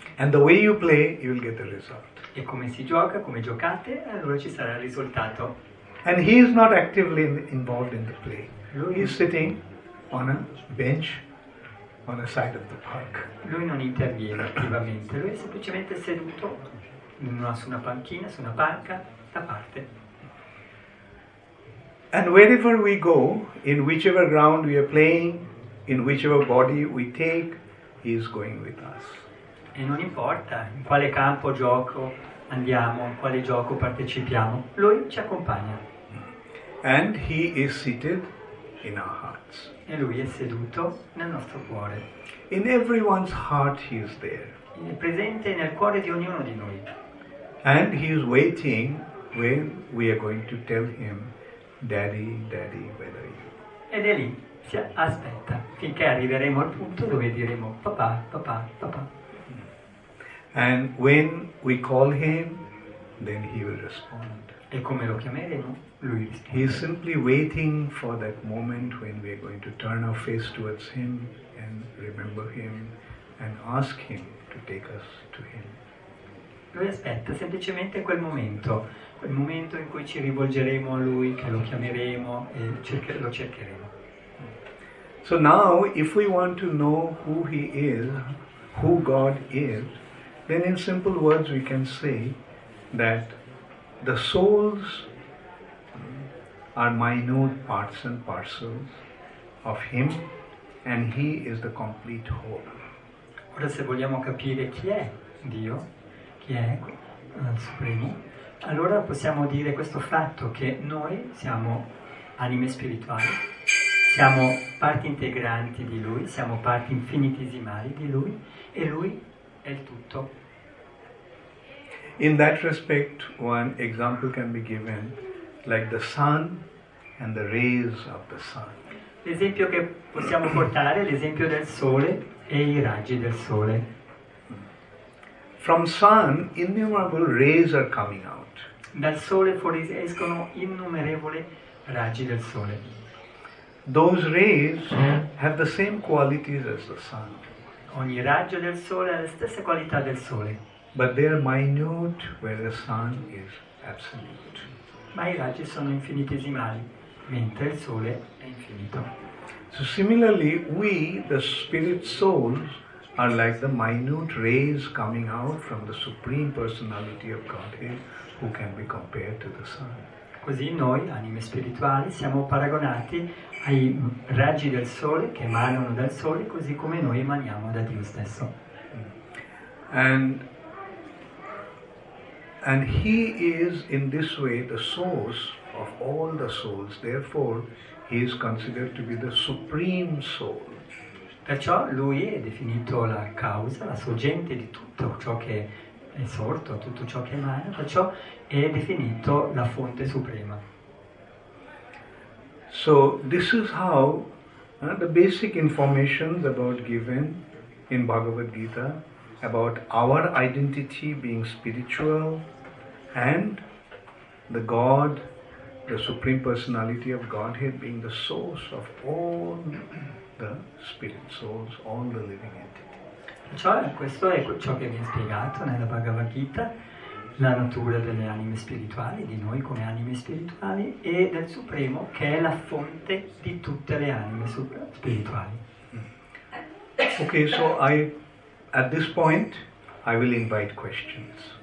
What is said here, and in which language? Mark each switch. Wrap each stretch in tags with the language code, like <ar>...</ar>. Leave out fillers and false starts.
<en>And the way you play, you'll get the result.</en> <it>E come si gioca, come giocate, allora ci sarà il risultato.</it> <en>And he is not actively involved in the play.</en> <it>Lui</it> <en>he's sitting on a bench on the side of the park.</en> <it>Lui non interviene attivamente. Lui è semplicemente seduto su una panchina, su una panca, da parte.</it> <en>And wherever we go, in whichever ground we are playing, in whichever body we take, he is going with us.</en> <it>E non importa in quale campo gioco andiamo, in quale gioco partecipiamo, lui ci accompagna.</it> <en>And he is seated in our hearts.</en> <it>E lui è seduto nel nostro cuore.</it> <en>In everyone's heart he is there.</en> <it>È presente nel cuore di ognuno di noi.</it> <en>And he is waiting when we are going to tell him, Daddy, where are you?</en> <it>Ed è lì. Si aspetta finché arriveremo al punto dove diremo papà.</it> <en>And when we call him, then he will respond.</en> <it>E come lo chiameremo? Lui risponde.</it> <en>He is simply waiting for that moment when we are going to turn our face towards him and remember him and ask him to take us to him.</en> <it>Lui aspetta semplicemente quel momento. Quel momento in cui ci rivolgeremo a lui, che lo chiameremo e lo cercheremo.</it> <en>So now, if we want to know who he is, who God is, then in simple words we can say that the souls are minute parts and parcels of him and he is the complete whole.</en> <it>Ora se vogliamo capire chi è Dio, chi è il Supremo, allora possiamo dire questo fatto che noi siamo anime spirituali. Siamo parti integranti di Lui, siamo parti infinitesimali di Lui, e Lui è il tutto.</it> <en>In that respect, one example can be given, like the sun and the rays of the sun.</en> <it>L'esempio che possiamo portare è l'esempio del sole e i raggi del sole.</it> <en>From sun, innumerable rays are coming out.</en> <it>Dal sole escono innumerevoli raggi del sole.</it> <en>Those rays have the same qualities as the sun.</en> <it>Ogni raggio del sole ha la stessa qualità del sole.</it> <en>But they are minute where the sun is absolute.</en> <it>Ma i raggi sono infinitesimali, mentre il sole è infinito.</it> <en>So similarly, we, the spirit souls, are like the minute rays coming out from the Supreme Personality of Godhead, who can be compared to the sun.</en> <it>Così noi, anime spirituali, siamo paragonati ai raggi del sole che emanano dal sole, così come noi emaniamo da Dio stesso.</it> <en>And And he is in this way the source of all the souls. Therefore, he is considered to be the supreme soul.</en> <it>Perciò lui è definito la causa, la sorgente di tutto ciò che è sorto, tutto ciò che emana, perciò è definito la fonte suprema.</it> <en>So this is how the basic information about given in Bhagavad Gita about our identity being spiritual and the God, the Supreme Personality of Godhead being the source of all the spirit souls, all the living entities.</en> <it>Cioè, questo è ciò che viene spiegato nella Bhagavad Gita, la natura delle anime spirituali, di noi come anime spirituali, e del Supremo che è la fonte di tutte le anime spirituali.</it> <en>Okay, so at this point, I will invite questions.</en>